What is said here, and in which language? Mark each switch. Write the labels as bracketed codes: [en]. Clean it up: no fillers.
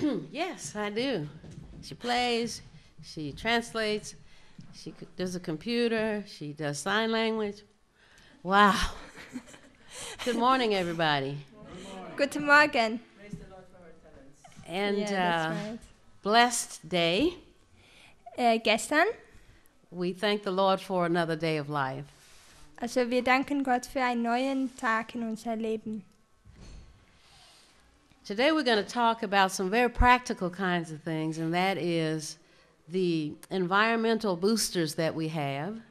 [en] Yes, I do. She plays, she translates, she does a computer, she does sign language. Wow. Good morning, everybody. Good morning. Good morning. Praise the Lord for her talents. And yeah, that's right. Blessed day. [de] Gestern. [en] We thank the Lord for another day of life. [de] Also, wir danken Gott für einen neuen Tag in unser Leben. [en] Today we're going to talk about some very practical kinds of things, and that is the environmental boosters that we have.